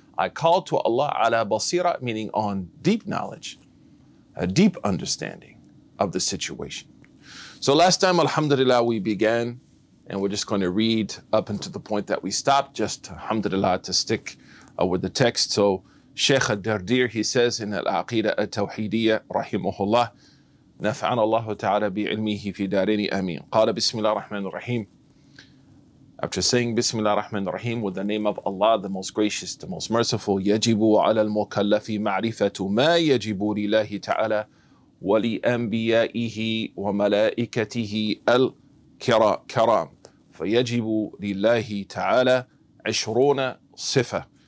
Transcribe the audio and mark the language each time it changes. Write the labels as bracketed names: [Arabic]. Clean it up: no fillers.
[English] I call to Allah ala basira, meaning on deep knowledge, a deep understanding of the situation. So last time, alhamdulillah, we began, and we're just going to read up until the point that we stopped, just alhamdulillah, to stick with the text. So Sheikh al-Dardir, he says in al-Aqida al-Tauhidiya, rahimahullah, [Arabic] نَفْعَنَ اللَّهُ تَعَالَى بِعِلْمِهِ فِي دَارِنِي أَمِينَ قَالَ بِسْمِ اللَّهِ الرَّحْمَنِ الرَّحِيمِ. [English] After saying Bismillah ar-Rahman ar-Rahim, with the name of Allah, the Most Gracious, the Most Merciful, [Arabic] يَجِبُ عَلَى الْمُكَلَّفِ مَعْرِفَةُ مَا يَجِبُ لِلَّهِ تَعَالَى وَلِأَنْبِيَائِهِ وَمَلَائِكَتِهِ الْكِرَامِ فَيَجِبُ لِلَّهِ تَعَالَى عِشْرُونَ صِفَةً.